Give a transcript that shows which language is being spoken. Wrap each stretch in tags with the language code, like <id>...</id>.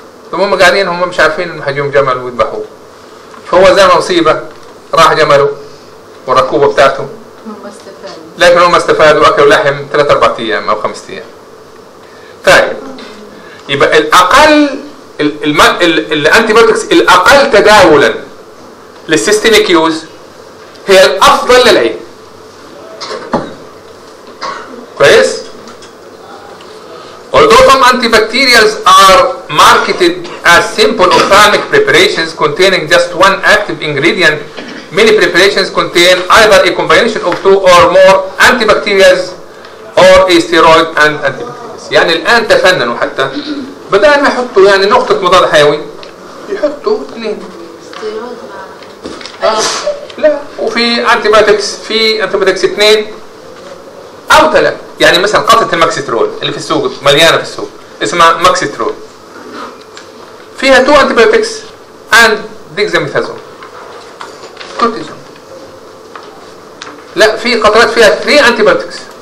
<ar>ثم هم قاعدين هم مش عارفين إن حجوم جمل ويذبحوه، فهو زي ما مصيبة راح جمله وركوبة بتاعته لكن هم استفادوا أكلوا لحم 3-4 أيام أو 5 أيام. طيب يبقى الأقل الأنتيبيوتكس الأقل تداولا للسيستميك يوز هي الأفضل للعين.</ar> <en>كويس؟ Although some antibacterials are marketed as simple ophthalmic preparations containing just one active ingredient, many preparations contain either a combination of two or more antibacterials or a steroid and antibacterials.</en> <ar>يعني الآن تفننوا حتى بدأنا نحطوا يعني نقطة مضاد حيوي يحطوا اثنين لا وفي antibiotics في antibiotics اثنين أو ثلاثة. يعني مثلا قطعة الماكسيترول اللي في السوق مليانة في السوق اسمها ماكسيترول فيها two antibiotics and dexamethasone لا في قطرات فيها 3 انتيبيوتكس.</ar>